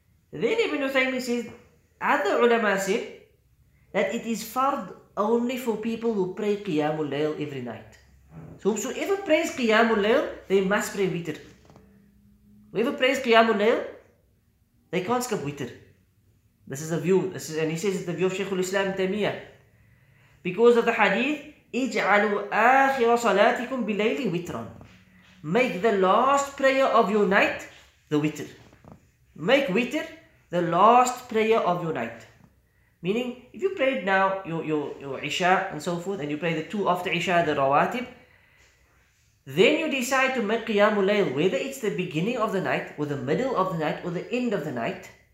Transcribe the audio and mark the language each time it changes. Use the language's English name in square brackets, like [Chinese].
[English] Then Ibn Uthaymin says, other ulama said that it is fard only for people who pray Qiyamul Layl every night. So whosoever prays Qiyamul Layl, they must pray witr. Whoever prays Qiyamul Layl, they can't skip witr. This is a view, this is, and he says it's the view of Shaykhul Islam Taymiyyah. Because of the hadith, [Arabic] اجعلوا آخر صلاتكم بليل [English] witr. Make the last prayer of your night the witr. Make witr the last prayer of your night. Meaning, if you prayed now your Isha and so forth, and you pray the two after Isha, the Rawatib, then you decide to make Qiyamul Layl, whether it's the beginning of the night, or the middle of the night, or the end of the night.